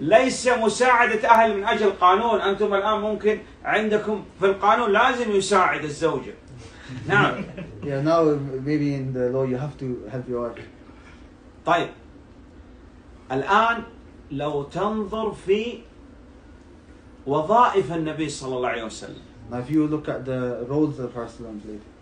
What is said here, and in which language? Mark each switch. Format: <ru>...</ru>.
<ar>ليس مساعدة أهل من أجل قانون. أنتم الآن ممكن عندكم في القانون لازم يساعد الزوجة. نعم.</ar> <en>Yeah. Now maybe in the law you have to help your wife.</en> <ar>طيب. الآن لو تنظر في وظائف النبي صلى الله عليه وسلم.</ar> <en>Now if you look at the roles of our Prophet played.</en>